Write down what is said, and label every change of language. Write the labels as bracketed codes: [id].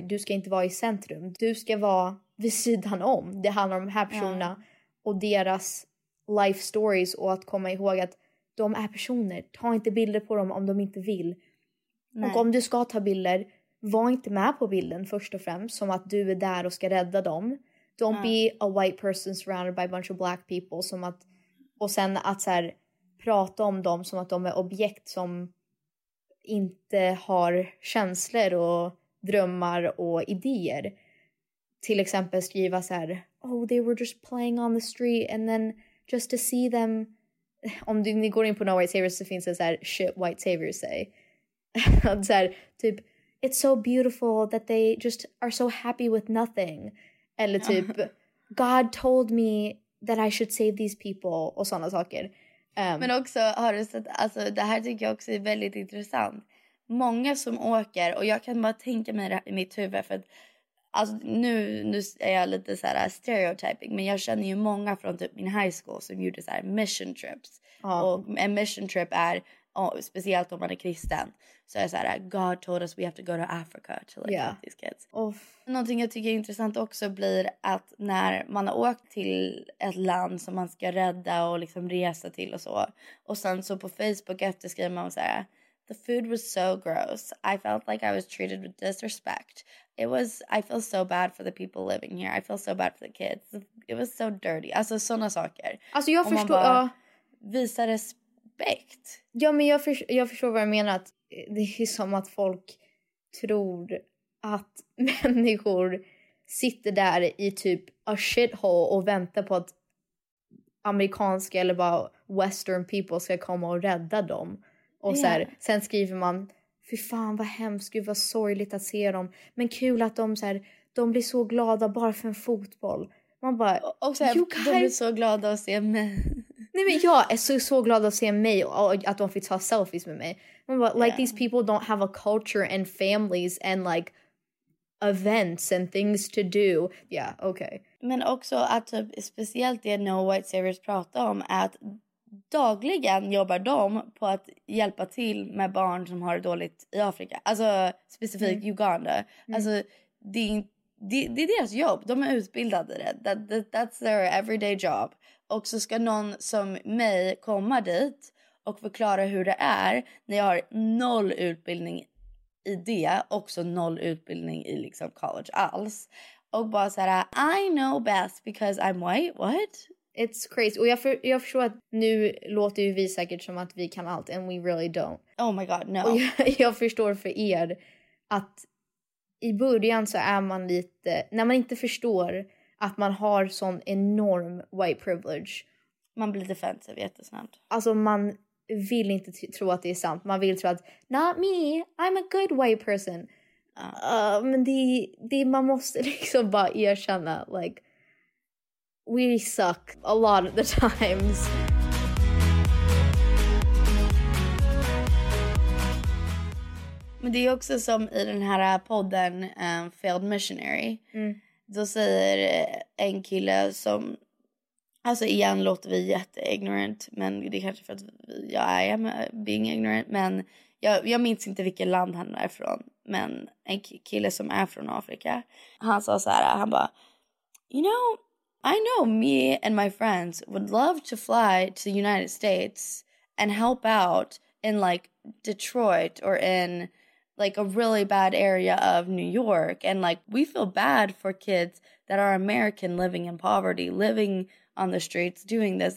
[sv] Du ska inte vara i centrum. Du ska vara vid sidan om. Det handlar om de här personerna och deras [en] life stories, [sv] och att komma ihåg att de är personer. Ta inte bilder på dem om de inte vill. Nej. Och om du ska ta bilder, var inte med på bilden först och främst, som att du är där och ska rädda dem. [en] Don't be a white person surrounded by a bunch of black people. [sv] Som att, och sen att så här, prata om dem som att de är objekt som inte har känslor och drömmar och idéer. Till exempel skriva så här, [en] oh, they were just playing on the street, and then just to see them. [sv] Om ni går in på No White Saviors, så finns det så här, [en] shit white saviors say. [sv] Så här, typ, [en] it's so beautiful that they just are so happy with nothing. [sv] Eller typ, [en] God told me that I should save these people. [sv] Och sådana saker. Men också, har du sett, alltså, det här tycker jag också är väldigt intressant. Många som åker, och jag kan bara tänka mig det här i mitt huvud, för att, alltså, nu är jag lite så här stereotyping, men jag känner ju många från typ min high school som gjorde så här mission trips. Och en mission trip är, speciellt om man är kristen, så är det så här, [en] God told us we have to go to Africa to like these kids. [sv] Någonting jag tycker är intressant också blir att när man har åkt till ett land som man ska rädda och liksom resa till och så, och sen så på Facebook efter skriver man så här, [en] the food was so gross, I felt like I was treated with disrespect. I feel so bad for the people living here. I feel so bad for the kids. It was so dirty. [sv] Alltså sådana saker. Alltså jag förstår. Och man bara visar respekt. Ja, men jag förstår vad jag menar. Att det är som att folk tror att människor sitter där i typ a shithole och väntar på att amerikanska eller bara [en] western people [sv] ska komma och rädda dem. Och så här, sen skriver man, fy fan vad hemskt, gud vad sorgligt att se dem. Men kul att de så här, de blir så glada bara för en fotboll. Man bara, och så här, de blir så glada att se mig. Nej, men jag är så glad att se mig och att de fick ta selfies med mig. Man bara, [en] like these people don't have a culture and families and like events and things to do. Yeah, okay. [sv] Men också att typ, speciellt det No White Savers pratar om, att dagligen jobbar de på att hjälpa till med barn som har det dåligt i Afrika. Alltså specifikt Uganda. Alltså det är deras jobb. De är utbildade i det. [en] That's their everyday job. [sv] Och så ska någon som mig komma dit och förklara hur det är när jag har noll utbildning i det. Också noll utbildning i liksom college alls. Och bara såhär, [en] I know best because I'm white. What? It's crazy. [sv] Och jag förstår att nu låter ju vi säkert som att vi kan allt. [en] And we really don't. Oh my god, no. [sv] Och jag förstår för er att i början så är man lite... När man inte förstår att man har sån enorm white privilege, man blir defensive jättesnabbt. Alltså man vill inte tro att det är sant. Man vill tro att, [en] not me, I'm a good white person. [sv] Men det man måste liksom bara erkänna, like... [en] We suck a lot of the times. [sv] Men det är också som i den här podden Failed Missionary. Mm. Då säger en kille som... Alltså igen låter vi jätteignorant. Men det är kanske för att jag är [en] being ignorant. [sv] Men jag minns inte vilket land han är från. Men en kille som är från Afrika. Han sa så här, han bara... [en] You know, I know me and my friends would love to fly to the United States and help out in like Detroit or in like a really bad area of New York. And like we feel bad for kids that are American living in poverty, living on the streets, doing this.